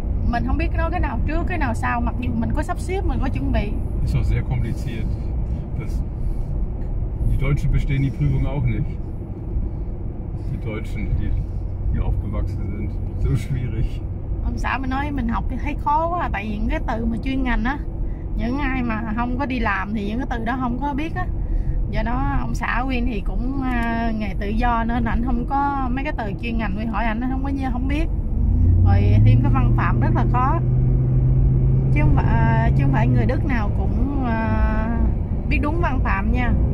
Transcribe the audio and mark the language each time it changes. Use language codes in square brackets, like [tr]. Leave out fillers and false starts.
[vi] Mình không biết nó cái nào trước cái nào sau, mặc dù mình có sắp xếp mình có chuẩn bị. [de] So sehr kompliziert. Das die Deutschen bestehen die Prüfung auch nicht. Die Deutschen, die hier aufgewachsen sind, so schwierig. [vi] Ông xã mình nói mình học thấy khó quá, tại vì những cái từ mà chuyên ngành á, những ai mà không có đi làm thì những cái từ đó không có biết á. Do đó ông xã Quyên thì cũng nghề tự do nên ảnh không có mấy cái từ chuyên ngành, Quyên hỏi ảnh nó không có như không biết. Rồi thêm cái văn phạm rất là khó. Chứ không phải người Đức nào cũng biết đúng văn phạm nha.